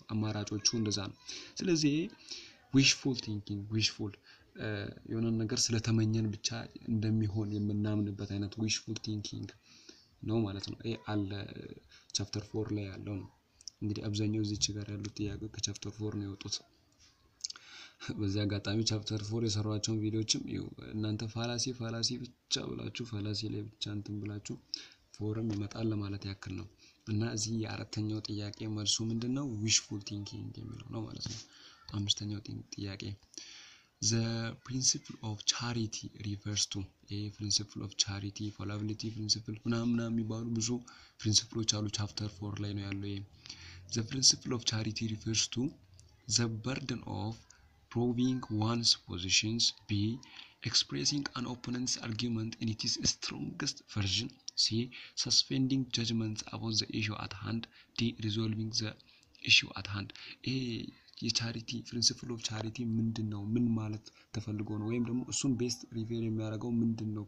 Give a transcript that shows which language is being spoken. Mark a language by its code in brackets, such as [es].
[am] አማራጮቹ እንደዛ ነው። ስለዚህ ዊሽፉል ቲንኪንግ ዊሽፉል የሆነ ነገር ስለተመኘን ብቻ እንደሚሆን የምናምንበት አይነት ዊሽፉል ቲንኪንግ ነው ማለት ነው። ይሄ አለ ቻፕተር 4 ላይ ያለው ነው። እንግዲህ አብዛኛው እዚች ጋር ያሉት ጥያቄዎች ከቻፕተር 4 ነው የወጡት። በዚያ ጋጣሚ ቻፕተር 4 የሰሯቸው ቪዲዮዎችም እናንተ ፋላሲ ብቻ ብላችሁ ፋላሲ ላይ ብቻ እንትን ብላችሁ 4ም ይመጣል ለማለት ያክል ነው። እና እዚህ የአራተኛው ጥያቄ መልሱ ምንድነው? ዊሽፉል ቲንኪንግ የሚለው ነው ማለት ነው። አምስተኛው ጥያቄ [en] the principle of charity refers to a principle of charity fallibility principle [am] ምናምን የሚባሉ ብዙ ፕሪንሲፕሎች አሉ ቻፕተር 4 ላይ ነው ያለው። [en] The principle of charity refers to the burden of proving one's positions b expressing an opponent's argument in its strongest version c suspending judgments about the issue at hand d resolving the issue at hand. [am] a የቻሪቲ ፕሪንሲፕል ኦፍ ቻሪቲ ምንድነው? ምን ማለት ተፈልጎ ነው? ወይም ደግሞ እሱን ቤስት ሪቪር የሚያደርገው ምንድነው?